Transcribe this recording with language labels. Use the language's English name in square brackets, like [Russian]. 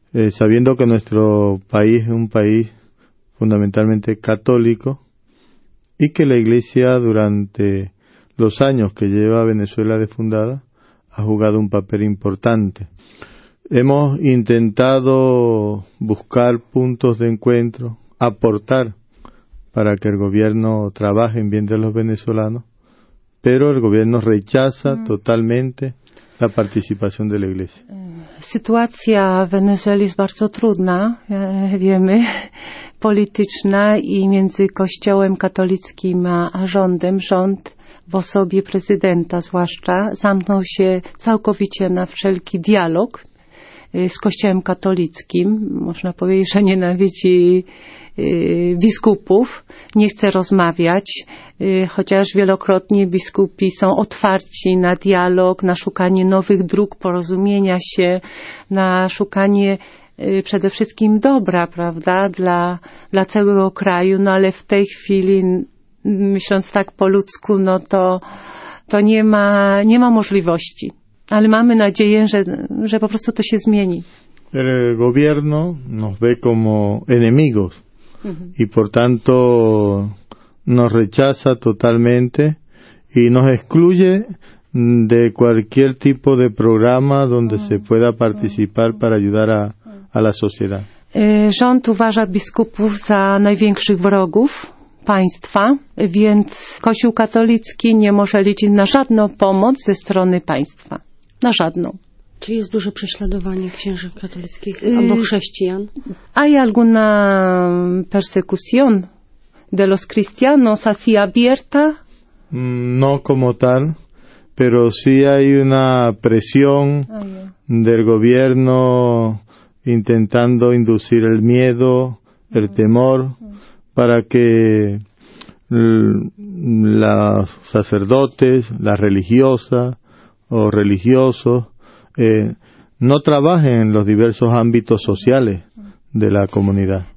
[Spanish] Sabiendo que nuestro país es un país fundamentalmente católico y que la iglesia durante los años que lleva Venezuela de fundada ha jugado un papel importante. Hemos intentado buscar puntos de encuentro, aportar para que el gobierno trabaje en bien de los venezolanos, pero el gobierno rechaza totalmente la participación de la iglesia. [Polish] Sytuacja w Wenezueli jest bardzo trudna, wiemy, polityczna i między Kościołem katolickim a rządem. Rząd w osobie prezydenta zwłaszcza zamknął się całkowicie na wszelki dialog z Kościołem katolickim. Można powiedzieć, że nienawidzi biskupów, nie chce rozmawiać, chociaż wielokrotnie biskupi są otwarci na dialog, na szukanie nowych dróg porozumienia się, na szukanie przede wszystkim dobra, prawda, dla całego kraju, no ale w tej chwili, myśląc tak po ludzku, no to nie ma możliwości. Ale mamy nadzieję, że po prostu to się zmieni. [Spanish] El gobierno nos ve como enemigos y por tanto nos rechaza totalmente y nos excluye de cualquier tipo de programa donde se pueda participar para ayudar a la sociedad. [Polish] Rząd uważa biskupów za największych wrogów państwa, więc Kościół katolicki nie może liczyć na żadną pomoc ze strony państwa. Na żadną. Czy jest duże prześladowanie księży katolickich albo chrześcijan? [Spanish] Hay alguna persecución de los cristianos así abierta? No como tal, pero sí hay una presión del gobierno intentando inducir el miedo, el temor, para que los sacerdotes, las religiosas o religiosos no trabajen en los diversos ámbitos sociales de la comunidad.